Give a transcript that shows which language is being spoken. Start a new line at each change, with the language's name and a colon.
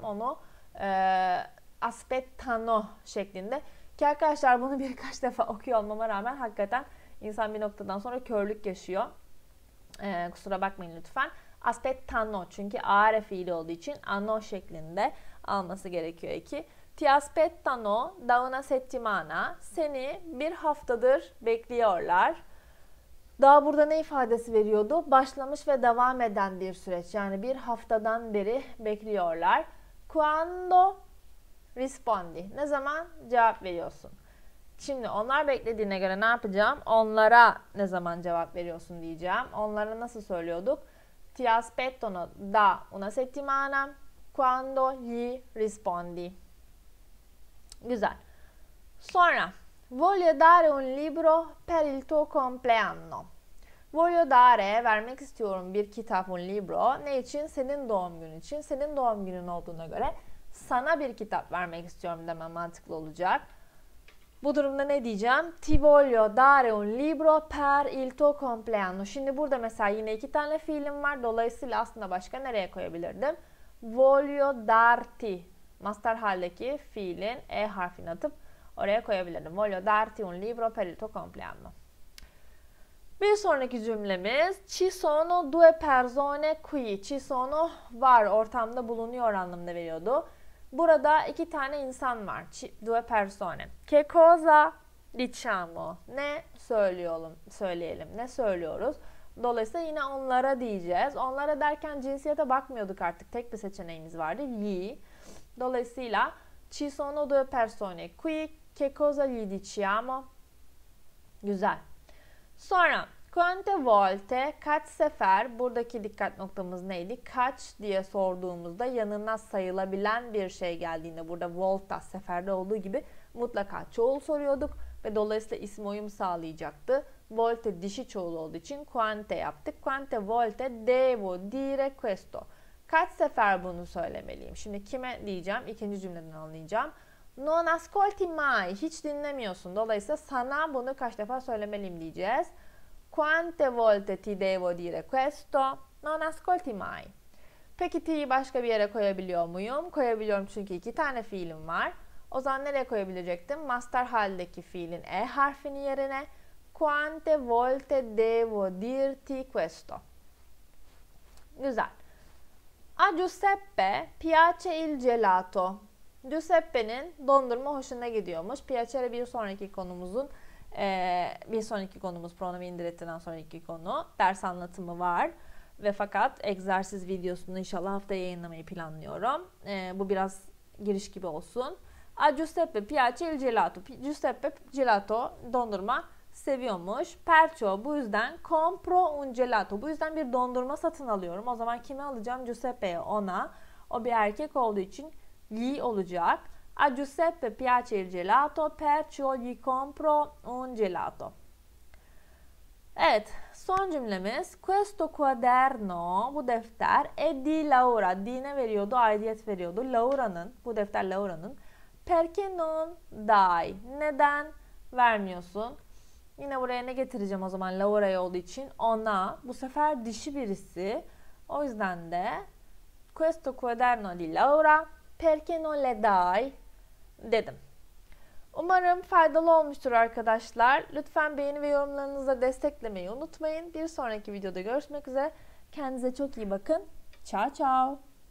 Turkish: Onu aspettano şeklinde. Ki arkadaşlar bunu birkaç defa okuyor olmama rağmen hakikaten insan bir noktadan sonra körlük yaşıyor. Kusura bakmayın lütfen. Aspettano çünkü are fiili olduğu için ano şeklinde alması gerekiyor ki.
Italian: Ti aspettano da una settimana.
Turkish: Seni bir haftadır bekliyorlar. Daha burada ne ifadesi veriyordu? Başlamış ve devam eden bir süreç. Yani bir haftadan beri bekliyorlar.
Italian: Quando rispondi?
Turkish: Ne zaman cevap veriyorsun? Şimdi onlar beklediğine göre ne yapacağım? Onlara ne zaman cevap veriyorsun diyeceğim. Onlara nasıl söylüyorduk?
Italian: Ti aspettano da una settimana. Quando gli rispondi? Güzel. Sonra, voglio dare un libro per il tuo compleanno. Voglio dare,
Turkish: vermek istiyorum bir kitap,
Italian: un libro.
Turkish: Ne için? Senin doğum günün için. Senin doğum günün olduğuna göre sana bir kitap vermek istiyorum demem mantıklı olacak. Bu durumda ne diyeceğim?
Italian: Ti voglio dare un libro per il tuo compleanno.
Turkish: Şimdi burada mesela yine iki tane fiilim var. Dolayısıyla aslında başka nereye koyabilirdim?
Italian: Voglio darti.
Turkish: Mastar haldeki fiilin E harfini atıp oraya koyabilirim.
Italian: Voglio darti un libro per il tuo compleanno.
Turkish: Bir sonraki cümlemiz.
Italian: Ci sono due persone qui.
Turkish: Ci sono var, ortamda bulunuyor anlamında veriyordu. Burada iki tane insan var.
Italian: Ci, due persone. Che cosa diciamo?
Turkish: Ne söylüyorum, söyleyelim. Ne söylüyoruz? Dolayısıyla yine onlara diyeceğiz. Onlara derken cinsiyete bakmıyorduk artık. Tek bir seçeneğimiz vardı.
Italian: Gli. Dolayısıyla ci sono due persone qui. Che cosa gli diciamo? Güzel.
Turkish: Sonra
Italian: quante volte,
Turkish: kaç sefer, buradaki dikkat noktamız neydi? Kaç diye sorduğumuzda yanına sayılabilen bir şey geldiğinde burada volta seferde olduğu gibi mutlaka çoğul soruyorduk ve dolayısıyla isim uyum sağlayacaktı. Volte dişi çoğul olduğu için quante yaptık.
Italian: Quante volte devo dire questo?
Turkish: Kaç sefer bunu söylemeliyim? Şimdi kime diyeceğim? İkinci cümleden anlayacağım.
Italian: Non ascolti mai.
Turkish: Hiç dinlemiyorsun. Dolayısıyla sana bunu kaç defa söylemeliyim diyeceğiz.
Italian: Quante volte ti devo dire questo? Non ascolti mai.
Turkish: Peki ti'yi başka bir yere koyabiliyor muyum? Koyabiliyorum çünkü iki tane fiilim var. O zaman nereye koyabilecektim? Mastar haldeki fiilin e harfini yerine.
Italian: Quante volte devo dirti questo? Güzel. A Giuseppe piace il gelato.
Turkish: Giuseppe'nin dondurma hoşuna gidiyormuş. Piacere bir sonraki konumuzun, bir sonraki konumuz, pronomi indirettiğinden sonraki konu. Ders anlatımı var ve fakat egzersiz videosunu inşallah haftaya yayınlamayı planlıyorum. Bu biraz giriş gibi olsun.
Italian: A Giuseppe piace il gelato.
Turkish: Giuseppe gelato, dondurma seviyormuş. Perciò, bu yüzden
Italian: compro un gelato.
Turkish: Bu yüzden bir dondurma satın alıyorum. O zaman kime alacağım? Giuseppe'ye, ona. O bir erkek olduğu için gli olacak.
Italian: A Giuseppe piace il gelato, perciò gli compro un gelato.
Turkish: Evet, son cümlemiz.
Italian: Questo quaderno,
Turkish: bu defter,
Italian: è di Laura.
Turkish: Di ne veriyordu? Aidiyet veriyordu. Laura'nın, bu defter Laura'nın.
Italian: Perché non dai?
Turkish: Neden vermiyorsun? Yine buraya ne getireceğim o zaman Laura'ya olduğu için? Ona. Bu sefer dişi birisi. O yüzden de
Italian: questo quaderno di Laura, perché non le dai?
Turkish: Dedim. Umarım faydalı olmuştur arkadaşlar. Lütfen beğeni ve yorumlarınızı da desteklemeyi unutmayın. Bir sonraki videoda görüşmek üzere. Kendinize çok iyi bakın.
Italian: Ciao ciao.